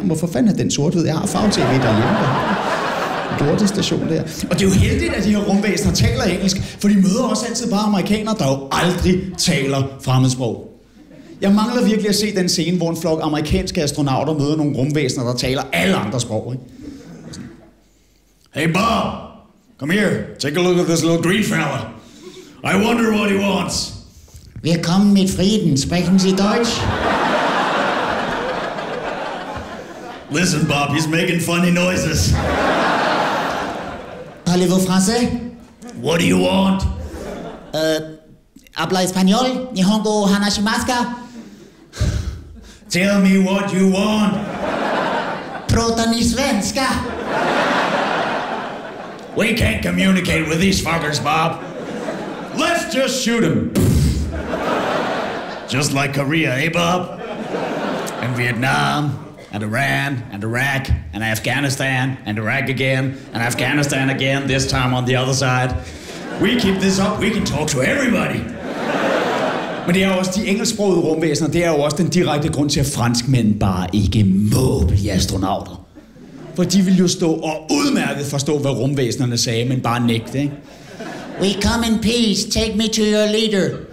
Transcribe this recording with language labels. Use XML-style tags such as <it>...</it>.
<da>Hvorfor fanden er den sort-hvid? Jeg har farve-tv derhjemme. Jordisk station der. Og det er jo heldigt, at de her rumvæsener taler engelsk, for de møder også altid bare amerikanere, der jo aldrig taler fremmedsprog. Jeg mangler virkelig at se den scene, hvor en flok amerikanske astronauter møder nogle rumvæsener, der taler alle andre sprog, ikke?</da> <en>Hey Bob, come here, take a look at this little green fella. I wonder what he wants.</en> <de>Willkommen mit Frieden, sprechen Sie Deutsch?</de> <en>Listen Bob, he's making funny noises.</en> <fr>Parlez-vous français?</fr> <en>What do you want?</en> <es>Habla español,</es> <ja>nihongo hanashimasu.</ja> <en>Tell me what you want.</en> <sv>Prata ni svenska.</sv> <en>We can't communicate with these fuckers, Bob. Let's just shoot them. Just like Korea, eh, Bob? And Vietnam, and Iran, and Iraq, and Afghanistan, and Iraq again, and Afghanistan again, this time on the other side. We keep this up, we can talk to everybody.</en> <da>Men det er også de engelsksprogede rumvæsener, det er jo også den direkte grund til, at franskmænd bare ikke må blive astronauter. For de ville jo stå og udmærket forstå, hvad rumvæsenerne sagde, men bare nægte, ikke?</da> <en>We come in peace, take me to your leader.</en>